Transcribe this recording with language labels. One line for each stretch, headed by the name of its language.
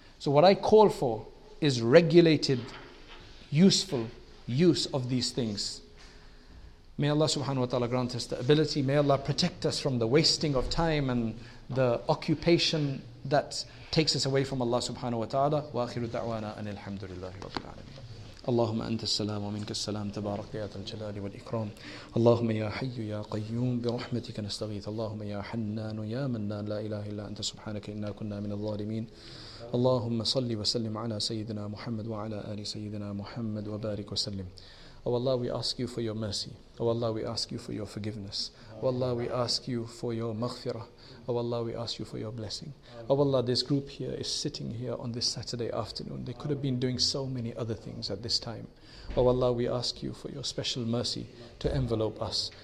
English: So what I call for is regulated, useful use of these things. May Allah subhanahu wa ta'ala grant us the ability. May Allah protect us from the wasting of time and the occupation that takes us away from Allah subhanahu wa ta'ala.
Arabic: Wa akhiru da'wana an alhamdulillahi rabbil alamin. اللهم أنت السلام ومنك السلام تبارك يا الجلال والإكرام اللهم يا حي يا قيوم برحمتك نستغيث اللهم يا حنان يا منان لا إله إلا أنت سبحانك إنا كنا من الظالمين اللهم صل وسلم على سيدنا محمد وعلى آل سيدنا محمد وبارك وسلم.
English: Oh Allah, we ask you for your mercy. Oh Allah, we ask you for your forgiveness. Oh Allah, we ask you for your maghfirah. Oh Allah, we ask you for your blessing. Oh Allah, this group here is sitting here on this Saturday afternoon. They could have been doing so many other things at this time. Oh Allah, we ask you for your special mercy to envelope us.